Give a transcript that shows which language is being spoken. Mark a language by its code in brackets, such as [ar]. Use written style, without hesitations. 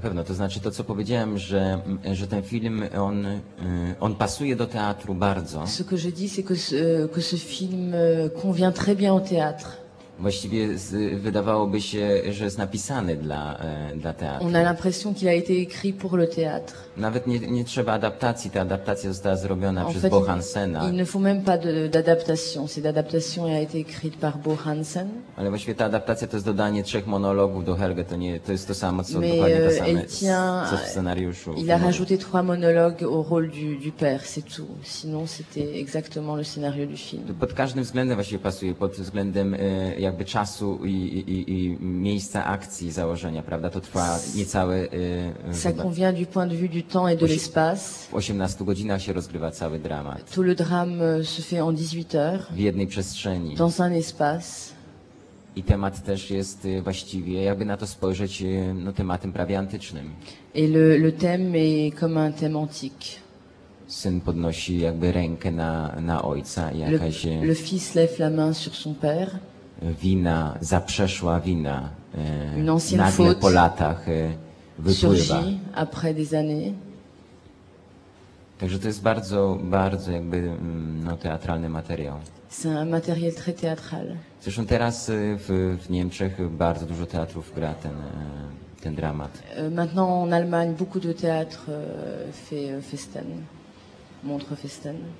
[pl] pewno, to znaczy to, co powiedziałem, że ten film, on pasuje do teatru bardzo. [fr] Ce que je dis, c'est que ce film convient très bien au théâtre. [pl] Właściwie wydawałoby się, że jest napisany dla teatru. [fr] On a l'impression qu'il a été écrit pour le théâtre. [pl] Nawet nie trzeba adaptacji, ta adaptacja została zrobiona przez Bo Hansena. [fr] Il ne faut même pas d'adaptation, cette adaptation a été écrite par Bo Hansen. [pl] Ale właściwie ta adaptacja to jest dodanie trzech monologów do Helge, to jest to samo, co dokładnie w scenariuszu. [fr] Il a rajouté trois monologues au rôle du père, c'est tout. Sinon c'était exactement le scénario du film. [pl] Pod każdym względem właściwie pasuje, pod względem jakby czasu i miejsca akcji założenia, prawda? To trwa niecałe... [fr] Ça convient du point de vue du temps et de l'espace. [pl] W 18 godzinach się rozgrywa cały dramat. [fr] Tout le drame se fait en 18 heures. [pl] W jednej przestrzeni. [fr] Dans un espace. [pl] I temat też jest właściwie, jakby na to spojrzeć, no, tematem prawie antycznym. [fr] Et le thème est comme un thème antique. [pl] Syn podnosi jakby rękę na ojca. Jakaś, [fr] le fils lève la main sur son père. [pl] Wina, zaprzeszła wina, [fr] une ancienne faute [pl] po latach wypływa. [fr] Surgit après des années. [pl] Także to jest bardzo, bardzo jakby, no, teatralny materiał. [fr] C'est un matériel très théâtral. [pl] Zresztą teraz w Niemczech bardzo dużo teatrów gra ten dramat. [fr] Maintenant en Allemagne beaucoup de théâtre fait Festen, montre Festen.